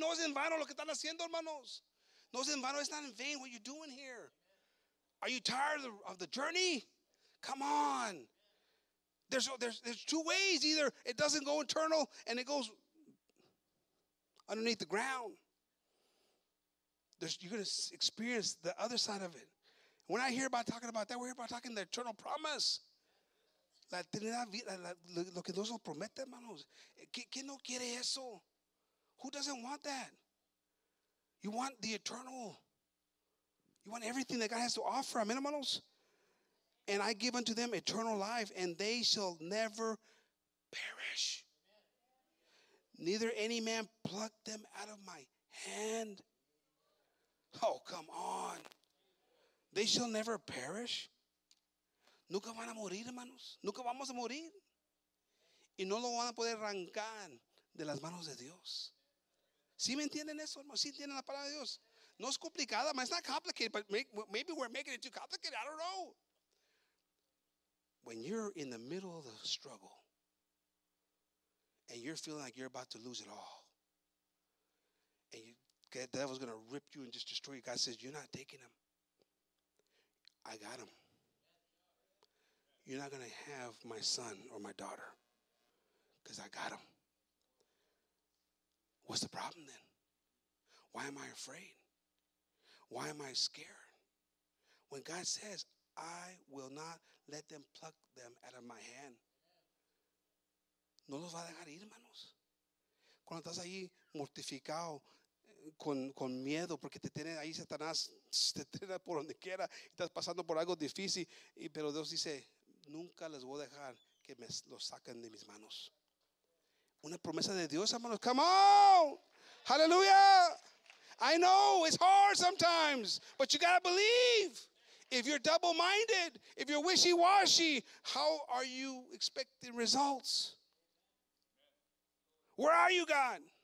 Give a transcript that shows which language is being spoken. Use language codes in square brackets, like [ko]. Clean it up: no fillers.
[es] No es en vano lo que están haciendo, hermanos. No es en vano. [en] It's not in vain what you're doing here. Are you tired of the journey? Come on. There's two ways. Either it doesn't go eternal and it goes underneath the ground. You're going to experience the other side of it. We're not here about talking about that. We're here about talking the eternal promise. [es] La eternidad, lo que Dios nos promete, hermanos. ¿Quién no quiere eso? [en] Who doesn't want that? You want the eternal. You want everything that God has to offer. Amen, hermanos. And I give unto them eternal life, and they shall never perish. Neither any man pluck them out of my hand. Oh, come on. They shall never perish. [es] Nunca van a morir, hermanos. Nunca vamos a morir. Y no lo van a poder arrancar de las manos de Dios. ¿Sí me entienden eso, hermanos? ¿Sí entienden la palabra de Dios? No es complicada, [en] man. It's not complicated, but maybe we're making it too complicated. I don't know. When you're in the middle of the struggle and you're feeling like you're about to lose it all and the devil's going to rip you and just destroy you, God says, you're not taking him. I got him. You're not going to have my son or my daughter because I got him. What's the problem then? Why am I afraid? Why am I scared? When God says, I will not let them pluck them out of my hand. [es] No los va a dejar ir, hermanos. Cuando estás ahí mortificado, con miedo, porque te tiene ahí Satanás, te tiene por donde quiera, estás pasando por algo difícil, pero Dios dice, nunca les voy a dejar que me los saquen de mis manos. Una promesa de Dios, hermanos. [en] Come on! [es] Hallelujah! [en] I know it's hard sometimes, but you gotta believe. If you're double-minded, if you're wishy-washy, how are you expecting results? Where are you, God?